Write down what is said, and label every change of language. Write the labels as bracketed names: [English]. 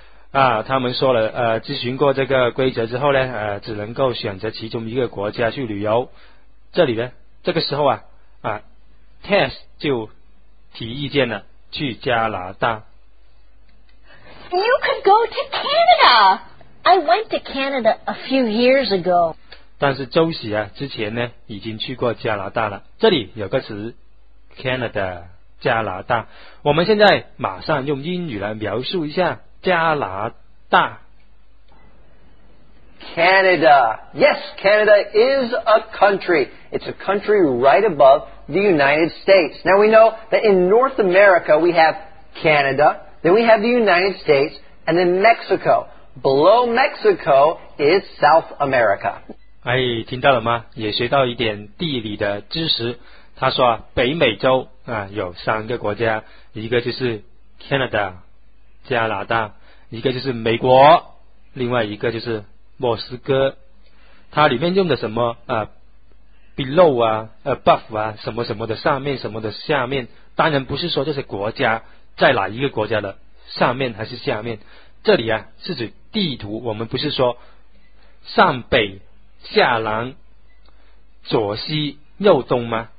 [Chinese] 啊，他们说了，咨询过这个规则之后呢，只能够选择其中一个国家去旅游。这里呢，这个时候啊 ，Tess 就提意见了，去加拿大。 [English] You could go to Canada. I went to Canada a few years ago. [Chinese] 但是周喜啊，之前呢已经去过加拿大了。这里有个词 ，Canada。加拿大，我们现在马上用英语来描述一下加拿大。 [English] Canada. Yes, Canada is a country. It's a country right above the United States. Now we know that in North America we have Canada, then we have the United States, and then Mexico. Below Mexico is South America. [Chinese] 哎，听到了吗？也学到一点地理的知识。他说北美洲啊有三个国家，一个就是 Canada 加拿大，一个就是美国，另外一个就是墨西哥。它里面用的什么啊 below 啊 above 啊什么什么的上面什么的下面，当然不是说这些国家在哪一个国家的上面还是下面，这里啊是指地图，我们不是说上北下南左西右东吗？